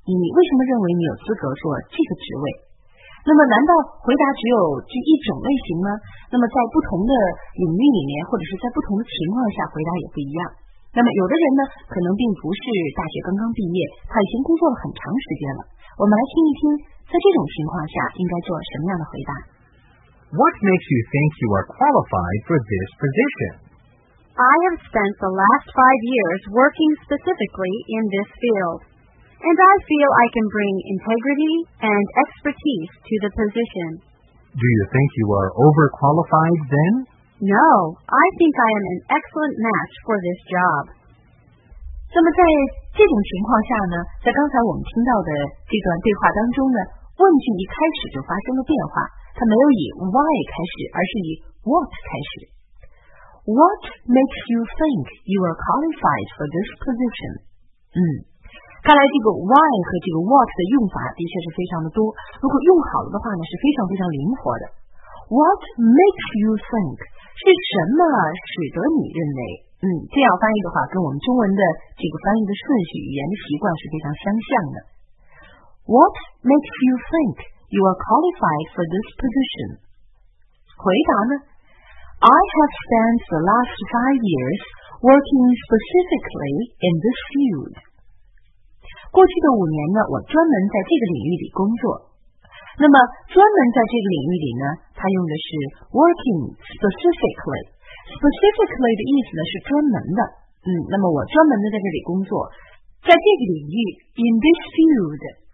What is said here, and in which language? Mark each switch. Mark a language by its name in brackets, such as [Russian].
[Chinese] 你为什么认为你有资格做这个职位？那么难道回答只有这一种类型吗？那么在不同的领域里面，或者是在不同的情况下，回答也不一样。那么有的人呢，可能并不是大学刚刚毕业，他已经工作了很长时间了。我们来听一听，在这种情况下应该做什么样的回答。 [English] What makes you think you are qualified for this position? I have spent the last 5 years working specifically in this field. And I feel I can bring integrity and expertise to the position. Do you think you are overqualified then? No, I think I am an excellent match for this job. [Chinese] 那么在这种情况下呢，在刚才我们听到的这段对话当中呢，问句一开始就发生了变化，它没有以 why 开始，而是以 what 开始。 [English] What makes you think you are qualified for this position? [Chinese] 看来这个 why 和这个 what 的用法的确是非常的多，如果用好了的话呢，是非常非常灵活的。 [English] What makes you think [Chinese] 是什么使得你认为？这样翻译的话，跟我们中文的这个翻译的顺序、语言的习惯是非常相像的。 [English] What makes you think you are qualified for this position? [Chinese] 回答呢？ [English] I have spent the last 5 years working specifically in this field. [Chinese] 过去的五年呢，我专门在这个领域里工作。那么专门在这个领域里呢，它用的是 working specifically。 specifically 的意思呢是专门的。那么我专门的在这里工作，在这个领域 [English] in this field。